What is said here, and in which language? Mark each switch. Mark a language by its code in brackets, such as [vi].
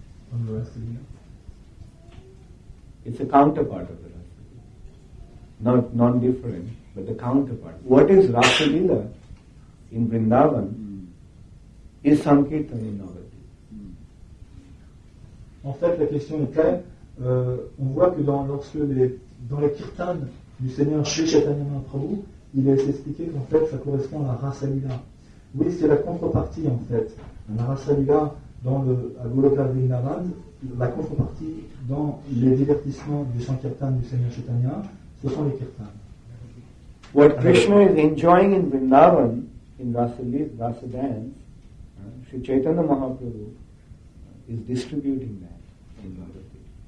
[en] From the Rasa Lila? It's a counterpart of the Rasa Lila. Non-different, but the counterpart. What is Rasa Lila in Vrindavan is Sankirtan in Navadvipa. [fr] En fait, la question est claire. On voit que dans les kirtanes du Seigneur Sri Chaitanya Mahaprabhu, il est expliqué qu'en fait, ça correspond à la Rasa Lila. Oui, c'est la contrepartie, en fait. La Rasa Lila à Goloka Vrindavan, la contrepartie dans les divertissements du Sankirtan du Seigneur Chaitanya, ce sont les kirtanes. [en] What Krishna is enjoying in Vrindavan, in Rasa Lila, Rasa Dance, Sri Chaitanya Mahaprabhu, is distributing that in Bhagavad Gita.